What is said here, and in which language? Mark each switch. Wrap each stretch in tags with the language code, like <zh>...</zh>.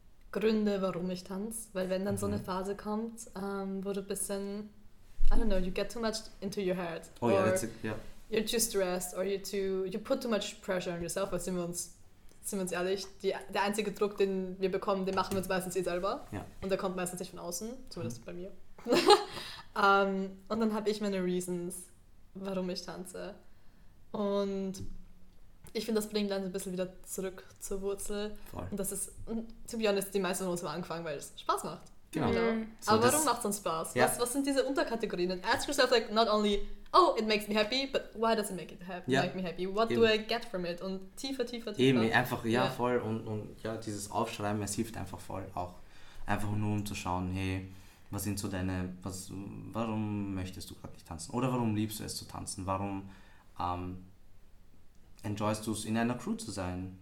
<de>Gründe, warum ich tanze, weil wenn dann so eine Phase kommt, wo du ein bisschen,</de> <en>I don't know, you get too much into your head, you're too stressed, or you put too much pressure on yourself,</en> <de>weil sind wir uns ehrlich, der einzige Druck, den wir bekommen, den machen wir uns meistens eh selber, und der kommt meistens nicht von außen, zumindest bei mir, und dann habe ich meine Reasons, warum ich tanze. Und ich finde, das bringt dann so ein bisschen wieder zurück zur Wurzel. Voll. Und das ist,</de> <en>to be honest,</en> <de>die meisten von uns haben angefangen, weil es Spaß macht. Genau. Mhm. So, aber warum macht es uns Spaß?</de> <en>Yeah.</en> <de>Was sind diese Unterkategorien?</de> <en>And ask yourself, like, not only, oh, it makes me happy, but why does it make me happy? What</en> <de>Eben.</de> <en>Do I get from it?</en> <de>Und tiefer. Eben, einfach, ja, voll. Und ja, dieses Aufschreiben, es hilft einfach voll. Auch einfach nur, um zu schauen, hey, was sind so deine, warum möchtest du gerade nicht tanzen? Oder warum liebst du es zu tanzen? Warum enjoyst du es, in einer Crew zu sein?</de>